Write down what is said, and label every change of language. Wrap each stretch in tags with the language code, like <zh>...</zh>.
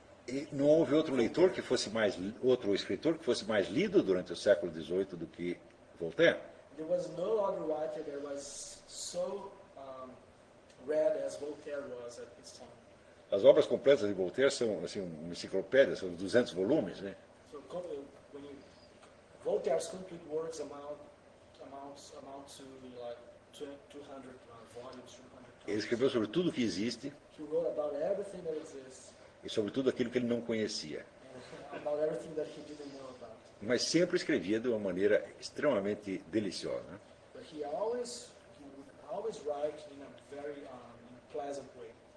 <pt>E não houve outro leitor que fosse mais, outro escritor que fosse mais lido durante o século XVIII do que Voltaire?</pt> <en>There was no other writer that was so read as Voltaire was at this time.</en> <pt>As obras completas de Voltaire são assim uma enciclopédia, são 200 volumes, né?</pt> <en>So, when you, Voltaire's complete works amount to like 200 volumes.</en> <pt>Ele escreveu sobre tudo que existe.</pt> <en>He wrote about everything that exists.</en> <pt>E sobretudo aquilo que ele não conhecia.</pt> <en>About everything that he didn't know about.</en> <pt>Mas sempre escrevia de uma maneira extremamente deliciosa.</pt> <en>But he always, he would always write in a very pleasant way.</en>